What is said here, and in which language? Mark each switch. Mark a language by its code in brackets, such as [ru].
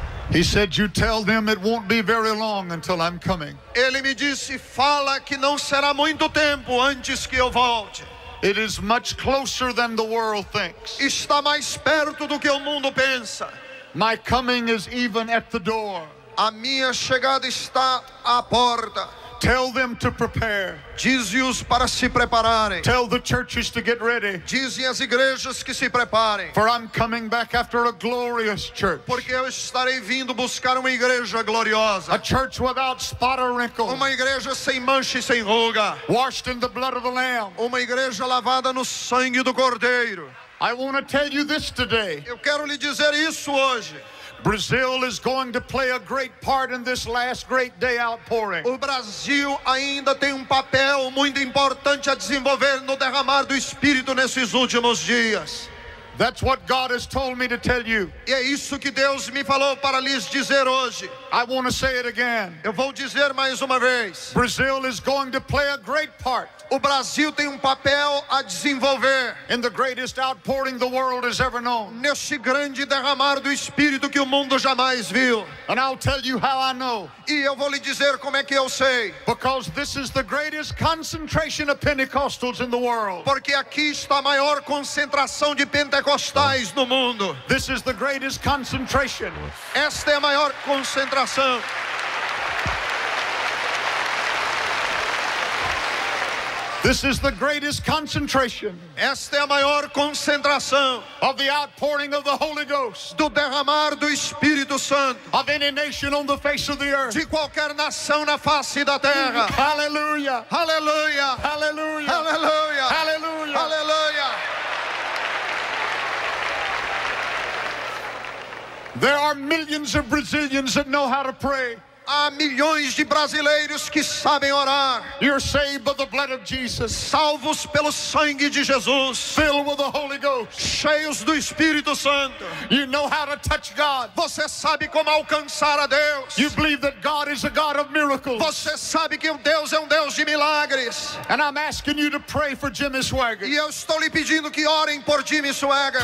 [en] He said, "You tell them it won't be very long until I'm coming." [pt] Ele me disse, fala que não será muito tempo antes que eu volte. [en] It is much closer than the world thinks. [pt] Está mais perto do que o mundo pensa. [en] My coming is even at the door. [pt] A minha chegada está à porta. [en] Tell them to prepare. [pt] Diz-os para se prepararem. [en] Tell the churches to get ready. [pt] Dizem as igrejas que se preparem. [en] For I'm coming back after a glorious church. [pt] Porque eu estarei vindo buscar uma igreja gloriosa. [en] A church without spot or wrinkle. [pt] Uma igreja sem mancha e sem ruga. [en] Washed in the blood of the Lamb. [pt] Uma igreja lavada no sangue do Cordeiro. [en] I want to tell you this today. [pt] Eu quero lhe dizer isso hoje. [en] Brazil is going to play a great part in this last great day outpouring. [pt] O Brasil ainda tem um papel muito importante a desenvolver no derramar do Espírito nesses últimos dias. [en] That's what God has told me to tell you. [pt] E é isso que Deus me falou para lhes dizer hoje. [en] I want to say it again. [pt] Eu vou dizer mais uma vez. [en] Brazil is going to play a great part. [pt] O Brasil tem um papel a desenvolver. [en] In the greatest outpouring the world has ever known. [pt] Neste grande derramar do Espírito que o mundo jamais viu. [en] And I'll tell you how I know. [pt] E eu vou lhe dizer como é que eu sei. [en] Because this is the greatest concentration of Pentecostals in the world. [pt] Porque aqui está a maior concentração de pentecostais no mundo. [en] This is the greatest concentration. [pt] Esta é a maior concentração. [en] This is the greatest concentration. [pt] Esta é a maior concentração. [en] Of the outpouring of the Holy Ghost. [pt] Do derramar do Espírito Santo. [en] Of any nation on the face of the earth. [pt] De qualquer nação na face da terra. [en] Hallelujah. Hallelujah. Hallelujah. Hallelujah. Hallelujah. Hallelujah. There are millions of Brazilians that know how to pray. [pt] Há milhões de brasileiros que sabem orar. [en] You're saved by the blood of Jesus. [pt] Salvos pelo sangue de Jesus. [en] Filled with the Holy Ghost. [pt] Cheios do Espírito Santo. [en] You know how to touch God. [pt] Você sabe como alcançar a Deus. [en] You believe that God is a God of miracles. [pt] Você sabe que Deus é Deus de milagres. [en] And I'm asking you to pray for Jimmy Swaggart. [pt] E eu estou lhe pedindo que orem por Jimmy Swaggart.